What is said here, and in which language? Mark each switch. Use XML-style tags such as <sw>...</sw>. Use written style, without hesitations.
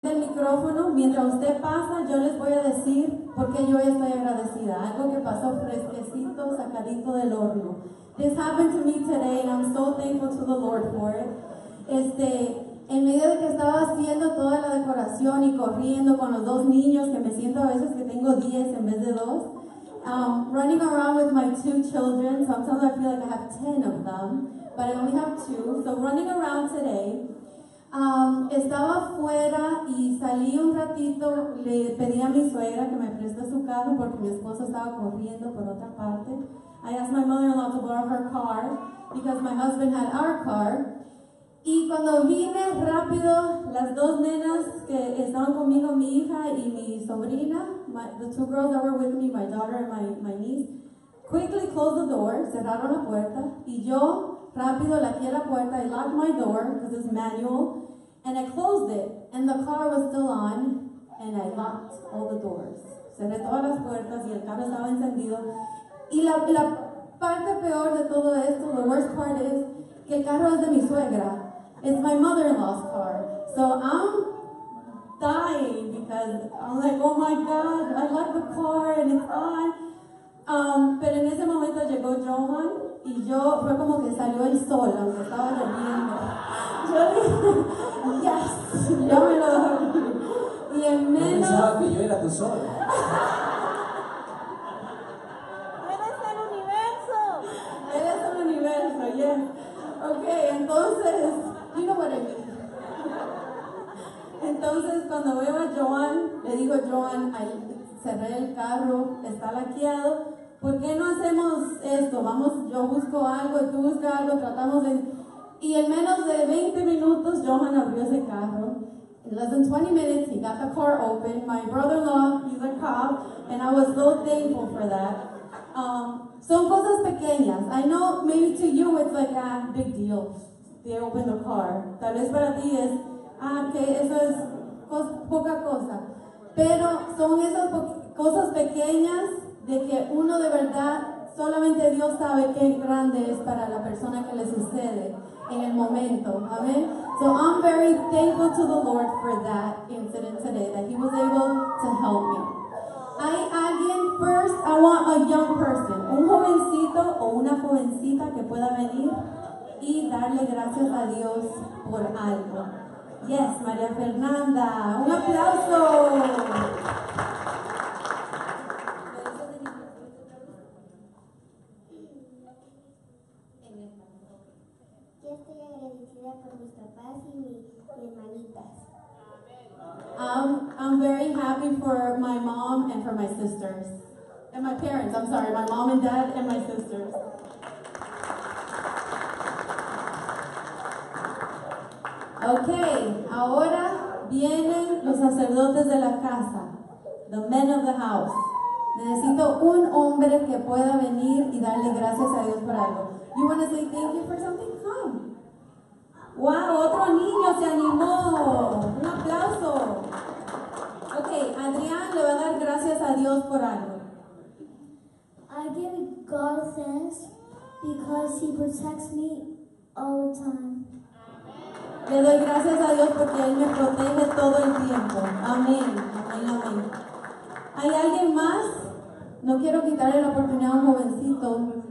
<es>el micrófono, mientras usted pasa, yo les voy a decir por qué yo estoy agradecida. Algo que pasó fresquecito, sacadito del horno.</es> <en>This happened to me today, and I'm so thankful to the Lord for it.</en> <es>En medio de que estaba haciendo toda la decoración y corriendo con los dos niños, que me siento a veces que tengo 10 en vez de 2.</es> <en>Running around with my 2 children, sometimes I feel like I have 10 of them, but I only have 2. So running around today,</en> <es>estaba afuera y salí un ratito, le pedí a mi suegra que me preste su carro porque mi esposo estaba corriendo por otra parte.</es> <en>I asked my mother-in-law to borrow her car because my husband had our car.</en> <es>Y cuando vine rápido, las dos nenas que estaban conmigo, mi hija y mi sobrina,</es> <en>the 2 girls that were with me, my daughter and my niece, quickly closed the door,</en> <es>cerraron la puerta, y yo rápido laqué la puerta,</es> <en>I locked my door, because it's manual, and I closed it, and the car was still on, and I locked all the doors.</en> <es>Cerré todas las puertas y el carro estaba encendido. Y la parte peor de todo esto,</es> <en>the worst part is,</en> <es>que el carro es de mi suegra.</es> <en>It's my mother-in-law's car. So I'm dying because I'm like, oh my God, I love the car and it's on.</en> <es>Pero en ese momento llegó Johan y yo, fue como que salió el sol, aunque estaba lloviendo. Yo dije,</es> <en>yes,</en> <es>yo me lo doy. Y en menos... Yo pensaba que yo era tu sol. Eres el universo. Eres el universo,</es> <en>yeah.</en> <es>Okay, entonces... Entonces, cuando veo a Joan, le digo, Joan, cerré el carro, está laqueado. ¿Por qué no hacemos esto? Vamos, yo busco algo, tú busca algo, tratamos de... Y en menos de 20 minutos, Joan abrió ese carro.</es> <en>In less than 20 minutes, he got the car open. My brother-in-law, he's a cop, and I was so thankful for that.</en> <es>Son cosas pequeñas.</es> <en>I know maybe to you it's like a big deal. They open the car.</en> <es>Tal vez para ti es, que eso es poca cosa. Pero son esas cosas pequeñas de que uno de verdad, solamente Dios sabe qué grande es para la persona que le sucede en el momento.</es> <en>Amen. So I'm very thankful to the Lord for that incident today, that he was able to help me.</en> <es>Hay alguien,</es> <en>first, I want a young person.</en> <es>Un jovencito o una jovencita que pueda venir y darle gracias a Dios por algo.</es> <en>Yes,</en> <es>María Fernanda, un aplauso. Yo estoy agradecida por mis papás y mis hermanitas.</es> <en>I'm very happy for my mom and for my sisters. And my parents, I'm sorry, my mom and dad and my sisters.</en> <es>Okay, ahora vienen los sacerdotes de la casa,</es> <en>the men of the house.</en> <es>Necesito un hombre que pueda venir y darle gracias a Dios por algo.</es> <en>You want to say thank you for something? Come.</en> <es>Wow, otro niño se animó. Un aplauso. Okay, Adrián le va a dar gracias a Dios por algo.</es> <en>I give God thanks because he protects me all the time.</en> <es>Le doy gracias a Dios porque Él me protege todo el tiempo. Amén. Amén, amén. ¿Hay alguien más? No quiero quitarle la oportunidad a un jovencito.</es>